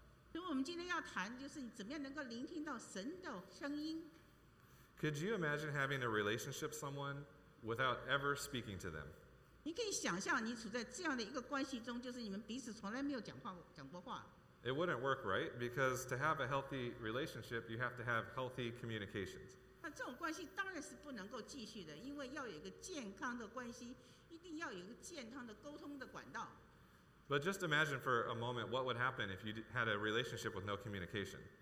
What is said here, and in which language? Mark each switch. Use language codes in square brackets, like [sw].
[zh] 所以我们今天要谈就是怎么样能够聆听到神的声音。 [en] Could you imagine having a relationship with someone without ever speaking to them? [zh] 你可以想象你处在这样的一个关系中，就是你们彼此从来没有讲话，讲过话。 [en] It wouldn't work, right? Because to have a healthy relationship, you have to have healthy communications. [zh] 那这种关系当然是不能够继续的，因为要有一个健康的关系，一定要有一个健康的沟通的管道。 [en] But just imagine for a moment what would happen if you had a relationship with no communication.